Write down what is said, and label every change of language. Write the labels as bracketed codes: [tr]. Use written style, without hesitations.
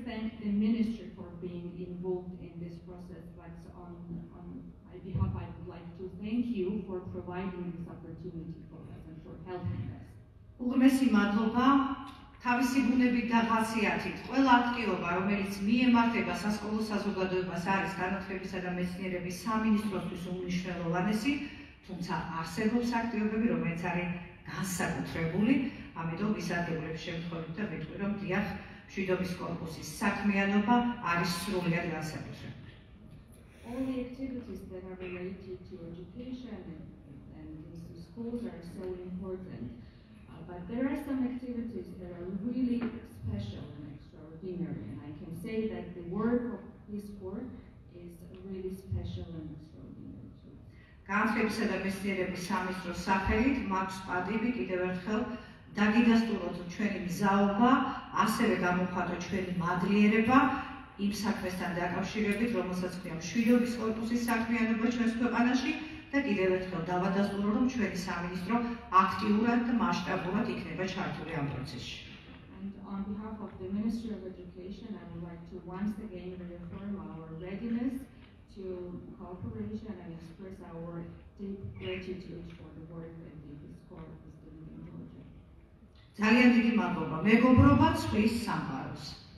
[en] thanked the ministry for being involved in this process, but on my behalf, I would like to thank you for providing this opportunity for us and for helping us. [ka] უღმესი მადლობა თავისი გუნებით დახასიათით. ყველა აქტივობა, რომელიც მიემართება სასკოლო საზოგადოებას, არის განათლებისა და მეცნიერების სამინისტროსთვის უმნიშვნელოვანესი, თუმცა არსებობს აქტივობები, რომელიც არის განსაკუთრებული. ამიტომ ვისარგებლებ შემთხვევით და ვიტყვი, რომ დიახ, მშვიდობის კორპუსის საქმიანობა არის სრულიად განსაკუთრებული. [en] All the activities that are related to education and schools are so important. But there are some activities that are really special and extraordinary, and I can say that the work of this corps is really special and extraordinary too. [ka] განათლებისა და მეცნიერების სამინისტროს სახელით მაქვს პატივი კიდევ ერთხელ დაგიდასტუროთ ჩვენი მზაობა, ასევე გამოხატოთ ჩვენი მადლიერება იმ საქმესთან დაკავშირებით, რომელსაც ქვია მშვიდობის კორპუსის საქმიანობა ჩვენს ქვეყანაში. Და კიდევ ერთხელ დავადასტურო, რომ ჩვენი სამინისტრო აქტიურად და მასშტაბურად იქნება ჩართული ამ პროცესში. [en] And on behalf of the Ministry of Education, I would like to once again reaffirm our readiness to cooperation and express our deep gratitude for the work that this corps is doing in Georgia. [ka] ძალიან დიდი მადლობა. მეგობრობა ცვლის სამყაროს.